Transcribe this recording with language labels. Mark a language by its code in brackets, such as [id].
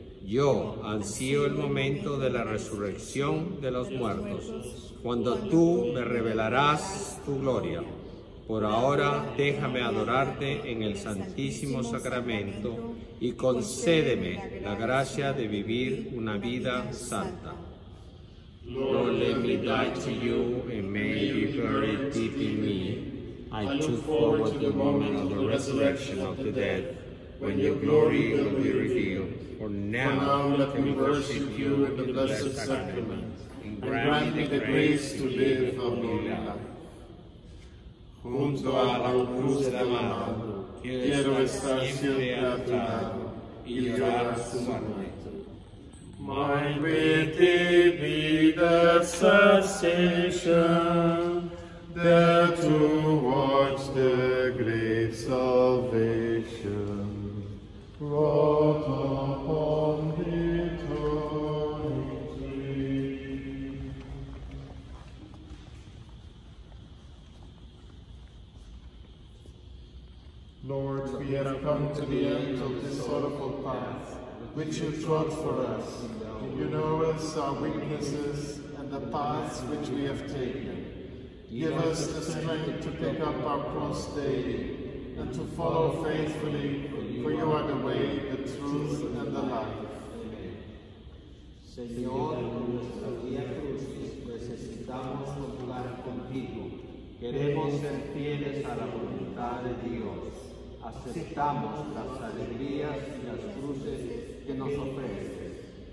[es] Yo ansío el momento de la resurrección de los muertos, cuando tú me revelarás tu gloria. Por ahora, déjame adorarte en el Santísimo Sacramento y concédeme la gracia de vivir una vida santa. [en] Lord, let me die to you and may you bury deep in me. I look forward to the moment of the resurrection of the dead, when your glory will be revealed. For now, let me worship you in the Blessed Sacrament and grant me the grace to live a holy life. [es] Junto a la cruz de la mano, quiero estar siempre a tu lado y llorar su muerte. [en] My pity be the cessation there to watch the great salvation brought upon eternity. Lord, come to the end of this sorrowful path, which you trod for us. You know us, our weaknesses, and the paths which we have taken. Give us the strength to pick up our cross daily, and to follow faithfully, for you are the way, the truth, and the life. [es] Señor, en nuestra vía crucis necesitamos contar contigo. Queremos ser fieles a la voluntad de Dios. Aceptamos las alegrías y las cruces que nos ofreces.